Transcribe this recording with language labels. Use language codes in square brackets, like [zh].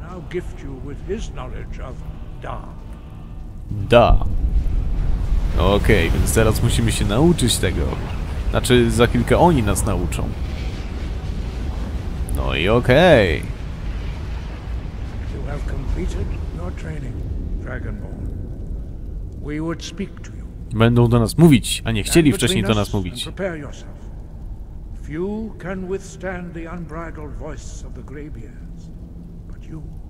[en] Gift you with his knowledge of Da. Da. [pl] Okej, więc teraz musimy się nauczyć tego. Znaczy, za chwilkę oni nas nauczą. No i okej. [en] You have completed your training, Dragonborn. We would speak to you. [pl] Będą do nas mówić, a nie chcieli wcześniej do nas mówić. [en] Prepare yourself. Few can withstand the unbridled voice of the Greybeards, but you.